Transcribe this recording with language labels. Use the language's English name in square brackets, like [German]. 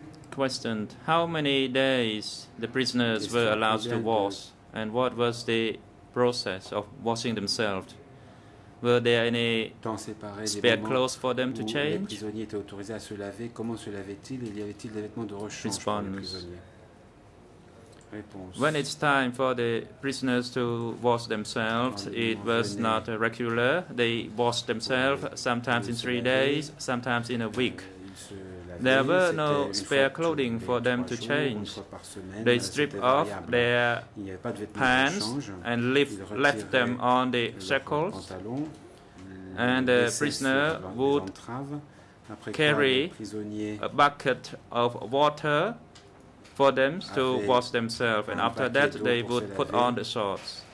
[English] Question: how many days the prisoners were allowed to wash, and what was the process of washing themselves? Were there any spare clothes for them to change? [French] Les prisonniers étaient autorisés à se laver. Comment se lavaient-ils? Y avait-il des vêtements de rechange pour les prisonniers? [English] When it's time for the prisoners to wash themselves, it was not regular. They washed themselves sometimes in 3 days, sometimes in a week. There were no spare clothing for them to change. They stripped off their pants and left them on the shackles, and the prisoner would carry a bucket of water for them to wash themselves, and after that they would put on the shorts.